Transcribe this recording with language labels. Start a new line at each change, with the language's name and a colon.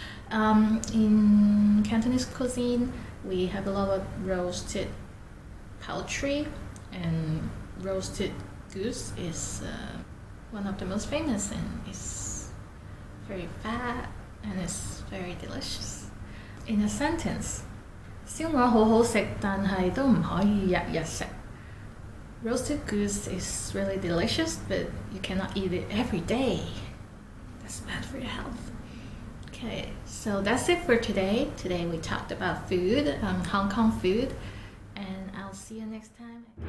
English: In Cantonese cuisine, we have a lot of roasted poultry, and roasted goose is one of the most famous, and it's very fat and it's very delicious. In a sentence,
Cantonese: 燒鵝好好食，但係都唔可以日日食。
English: Roasted goose is really delicious, but you cannot eat it every day. That's bad for your health. Okay, so that's it for today. Today we talked about food, Hong Kong food, and I'll see you next time.